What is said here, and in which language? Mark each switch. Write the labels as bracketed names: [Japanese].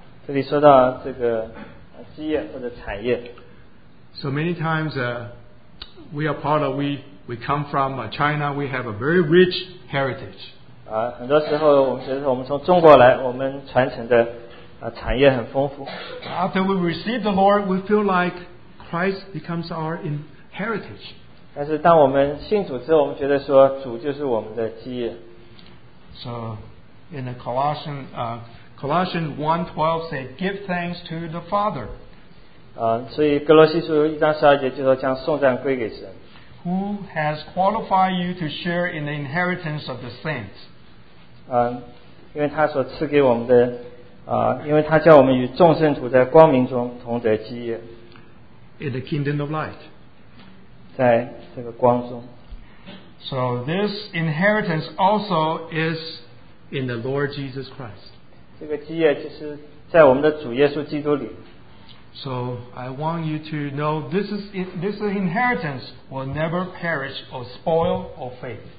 [English] So many times we are part of, we come from China, we have a very rich heritage. After we receive the Lord, we feel like Christ becomes our heritage. [Chinese] 但是当我们信主之后，我们觉得说主就是我们的基业。 [English] So, in the Colossians, Colossians 1:12 say, give thanks to the Father. [Chinese] 所以 哥罗西书1:12节就说将颂赞归给神。 [English] Who has qualified you to share in the inheritance of the saints? [Chinese] 因为他所赐给我们的 因为他叫我们与众圣徒在光明中同得基业。 [English] In the kingdom of light. [Chinese] 在这个光中。 [English] So this inheritance also is in the Lord Jesus Christ. [Chinese] 这个基业就是在我们的主耶稣基督里。 [English] So I want you to know this inheritance will never perish or spoil or fade.